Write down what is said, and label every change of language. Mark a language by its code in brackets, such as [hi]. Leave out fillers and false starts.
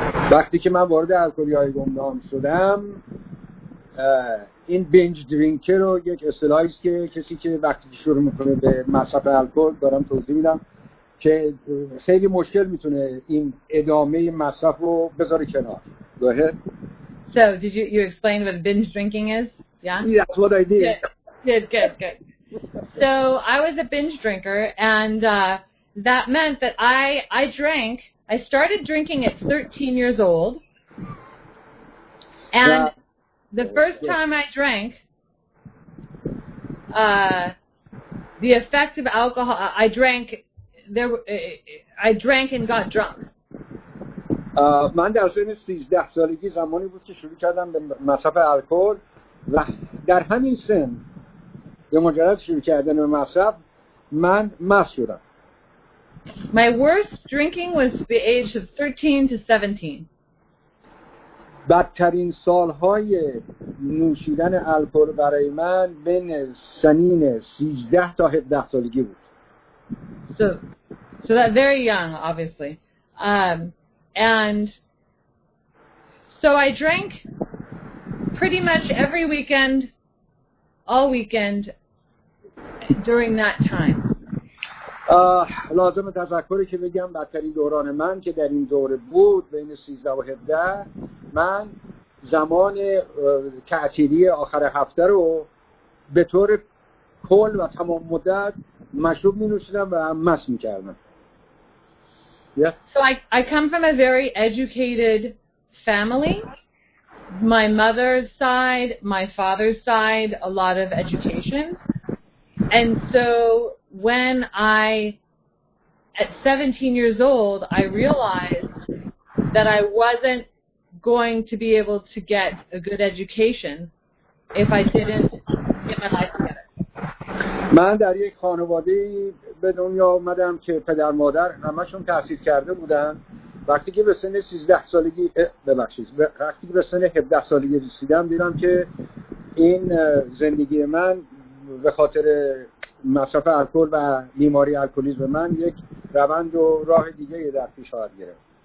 [fa] وقتی که من وارد الکلی‌های گمنام شدم، این بینج درینکر رو یک اصطلاحی است که کسی که وقتی شروع میکنه به مصرف الکل، دارم توضیح میدم که خیلی مشکل میتونه این ادامه مصرف رو بذاره کنار. [en] Go ahead. So did you explain what binge drinking is? Yeah. That's what I did. Good. So I was a binge drinker, and that meant that I drank. I started drinking at 13 years old, and the first time I drank, the effect of alcohol, I drank I drank and got drunk. [fa] من در سن 13 سالگی زمانی بود که شروع کردم به مصرف الکل و در همین سن به مجرد شروع کردن به مصرف من مست شدم. [en] My worst drinking was the age of 13 to 17. [fa] بدترین سالهای نوشیدن الکل برای من بین سنین 13 تا 17 سالگی بود. [en] So that very young, obviously. And so I drank pretty much every weekend, all weekend during that time. [fa] لازم تذکری که بگم بدترین دوران من که در این دوره بود بین 13 و 17 من زمان تعطیلی آخر هفته رو به طور کل و تمام مدت مشروب می‌نوشیدم و مست می‌کردم. [en] Yeah. So I come from a very educated family. My mother's side, my father's side, a lot of education. And so when I, at 17 years old, I realized that I wasn't going to be able to get a good education if I didn't get my life together. [fa] من در یک خانواده به دنیا اومدم که پدر مادر همشون تحصیل کرده بودن. وقتی که به سن 13 سالگی ببخشید وقتی که به سن 17 سالگی رسیدم دیدم که این زندگی من به خاطر مصرف الکل و بیماری الکلیسم من یک روند و راه دیگه در پیش خواهد گرفت.